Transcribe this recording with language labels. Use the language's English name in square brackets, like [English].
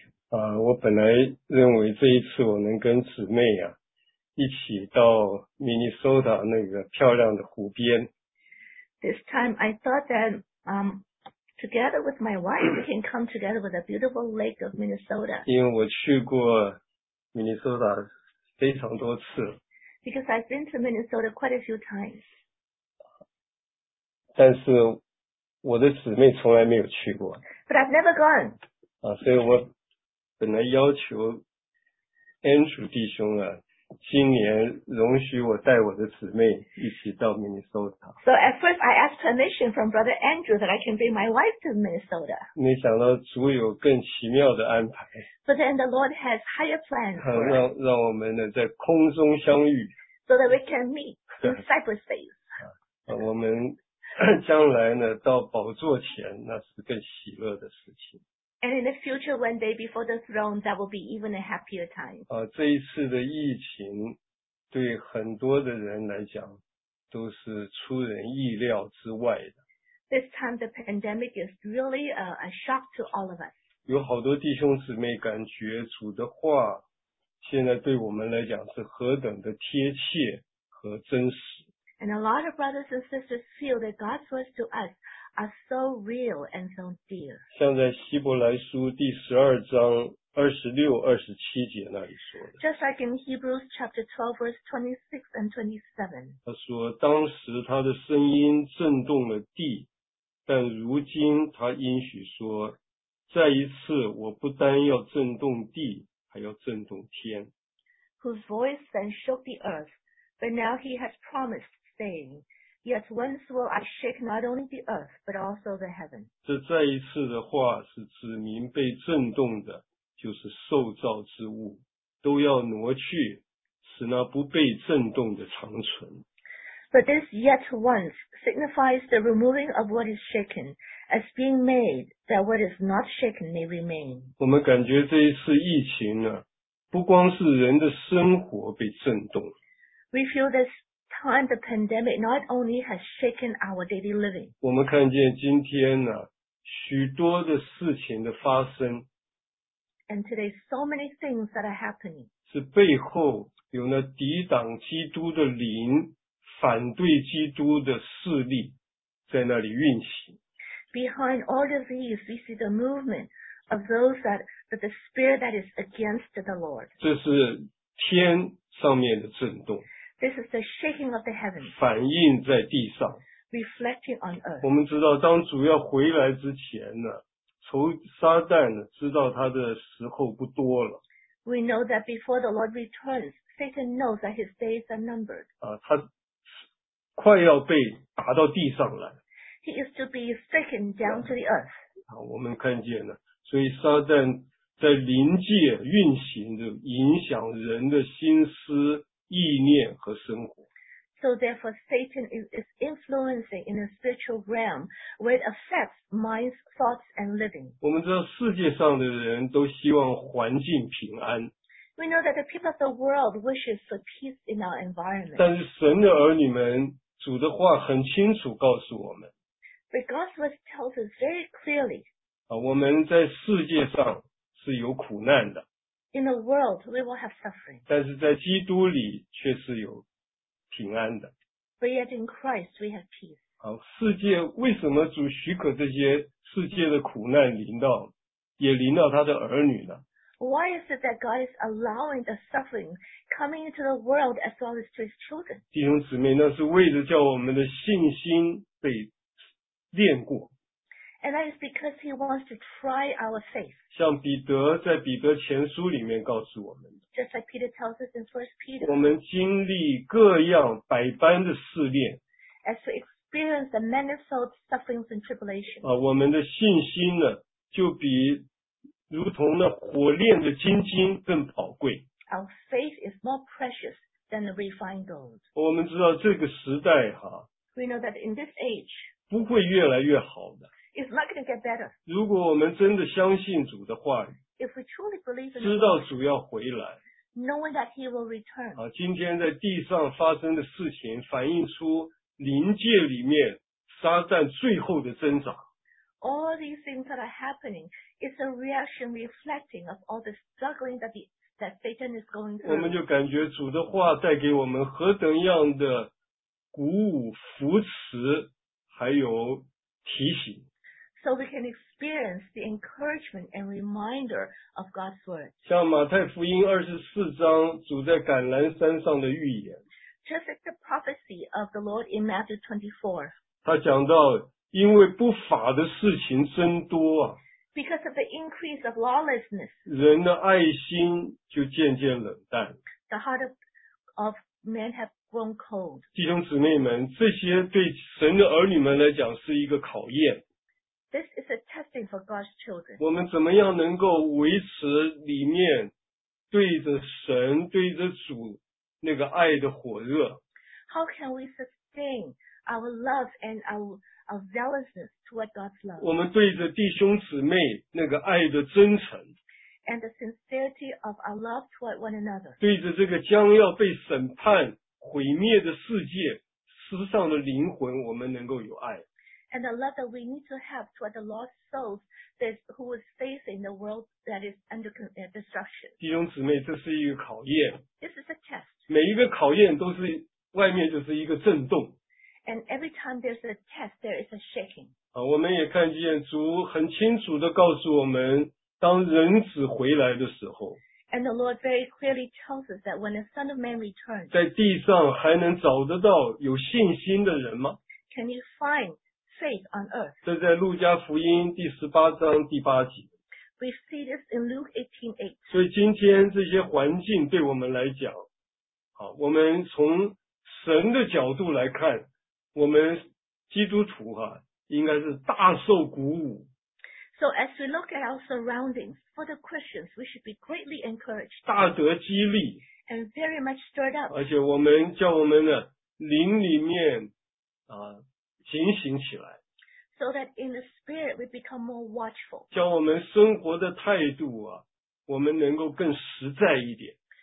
[Chinese] 我本来认为这一次我能跟姊妹啊一起到 Minnesota 那个漂亮的湖边。 [English] This time I thought that, together with my wife, we can come together with a beautiful lake of Minnesota. [Chinese] 因为我去过 Minnesota 非常多次。 [English] Because I've been to Minnesota quite a few times. [Chinese] 但是我的姊妹从来没有去过。 [English] But I've never gone. [Chinese] 所以我本来要求 Andrew 弟兄啊，今年容许我带我的姊妹一起到 Minnesota. [English] So at first I asked permission from Brother Andrew that I can bring my wife to Minnesota. [Chinese] 没想到主有更奇妙的安排。 [English] But then the Lord has higher plans. [Chinese] 让我们呢在空中相遇。 [English] So that we can meet in cyberspace. [Chinese] 我们将来呢到宝座前那是更喜乐的事情。 [English] And in the future, one day before the throne, that will be even a happier time. [Chinese] 这一次的疫情对很多的人来讲都是出人意料之外的。 [English] This time the pandemic is really a shock to all of us. [Chinese] 有好多弟兄姊妹感觉主的话现在对我们来讲是何等的贴切和真实。 [English] And a lot of brothers and sisters feel that God's words to us are so real and so dear. [Chinese] 像在希伯来书第十二章二十六、二十七节那里说的。 [English] Just like in Hebrews chapter 12, verse 26 and 27. [Chinese] 他说，当时他的声音震动了地，但如今他应许说，再一次我不单要震动地，还要震动天。 [English] Whose voice then shook the earth, but now he has promised. Saying, yet once will I shake not only the earth, but also the heaven. [Chinese] 这再一次的话是指明被震动的就是受造之物都要挪去使那不被震动的长存。 [English] But this yet once signifies the removing of what is shaken as being made that what is not shaken may remain. [Chinese] 我们感觉这一次疫情呢不光是人的生活被震动。 [English] We feel thisTime the pandemic not only has shaken our daily living. [Chinese] 我们看见今天呢，许多的事情的发生。 [English] And today, so many things that are happening. [Chinese] 是背后有那抵挡基督的灵、反对基督的势力在那里运行。 [English] Behind all of these, we see the movement of those that the spirit that is against the Lord. [Chinese] 这是天上面的震动。 [English] This is the shaking of the heavens. [Chinese] 反映在地上。 [English] Reflecting on earth. [Chinese] 我们知道当主要回来之前呢仇撒旦呢知道他的时候不多了。 [English] We know that before the Lord returns, Satan knows that his days are numbered. [Chinese] 他快要被打到地上来。 [English] He is to be stricken down to the earth. [Chinese] 我们看见了。所以撒旦在灵界运行着影响人的心思。意念和生活。 [English] So therefore, Satan is influencing in a spiritual realm where it affects minds, thoughts, and living. [Chinese] 我们知道世界上的人都希望环境平安。 [English] We know that the people of the world wishes for peace in our environment. [Chinese] 但是神的儿女们，主的话很清楚告诉我们。 [English] But God's word tells us very clearly. [Chinese] 我们在世界上是有苦难的。 [English] In the world, we will have suffering. [Chinese] 但是在基督里却是有平安的。 [English] But yet in Christ, we have peace. [Chinese] 世界为什么主许可这些世界的苦难临到，也临到他的儿女呢？ [English] Why is it that God is allowing the suffering coming into the world as well as to his children? [Chinese] 弟兄姊妹，那是为了叫我们的信心被炼过。 [English] And that is because he wants to try our faith. [Chinese] 像彼得在彼得前书里面告诉我们。 [English] Just like Peter tells us in 1 Peter. [Chinese] 我们经历各样百般的试炼。 [English] As we experience the manifold sufferings and tribulations. [Chinese] 我们的信心呢就比如同那火炼的金晶更宝贵。 [English] Our faith is more precious than the refined gold. [Chinese] 我们知道这个时代哈。 [English] We know that in this age. [Chinese] 不会越来越好的。 [English] It's not going to get better. [Chinese] 如果我们真的相信主的话语， [English] If we truly believe in [Chinese] 知道主要回来， [English] knowing that he will return. [Chinese] 今天在地上发生的事情反映出灵界里面撒旦最后的挣扎。 [English] All these things that are happening is a reaction reflecting of all the struggling that, that Satan is going through. [Chinese] 我们就感觉主的话带给我们何等样的鼓舞、扶持，还有提醒。 [English] So we can experience the encouragement and reminder of God's word. [Chinese] 像马太福音二十四章主在橄榄山上的预言。 [English] Just like the prophecy of the Lord in Matthew 24. [Chinese] 他讲到因为不法的事情增多啊。 [English] Because of the increase of lawlessness. [Chinese] 人的爱心就渐渐冷淡。 [English] The heart of men have grown cold. [Chinese] 弟兄姊妹们，这些对神的儿女们来讲是一个考验。 [English] This is a testing for God's children. [Chinese] 我们怎么样能够维持里面对着神、对着主那个爱的火热？ [English] How can we sustain our love and our zealousness toward God's love? [Chinese] 我们对着弟兄姊妹那个爱的真诚？ [English] And the sincerity of our love toward one another. [Chinese] 对着这个将要被审判、毁灭的世界，世上的灵魂，我们能够有爱？ [English] And the love that we need to have toward the lost souls who is facing the world that is under destruction. [Chinese] 弟兄姊妹，这是一个考验。 [English] This is a test. [Chinese] 每一个考验都是外面就是一个震动。 [English] And every time there's a test, there is a shaking. [Chinese] 我们也看见主很清楚地告诉我们，当人子回来的时候。 [English] And the Lord very clearly tells us that when the Son of Man returns. [Chinese] 在地上还能找得到有信心的人吗？ [English] Can you find faith on earth. [Chinese] 这在路加福音第十八章第八节。 [English] We see this in Luke 18:8. [Chinese] 所以今天这些环境对我们来讲，好，我们从神的角度来看，我们基督徒哈，应该是大受鼓舞。 [English] So as we look at our surroundings, for the Christians, we should be greatly encouraged. [Chinese] 大得激励。 [English] And very much stirred up. [Chinese] 而且我们叫我们的灵里面啊。警醒起来 [English] ，so that in the spirit we become more watchful. [Chinese] 叫我们生活的态度啊，我们能够更实在一点。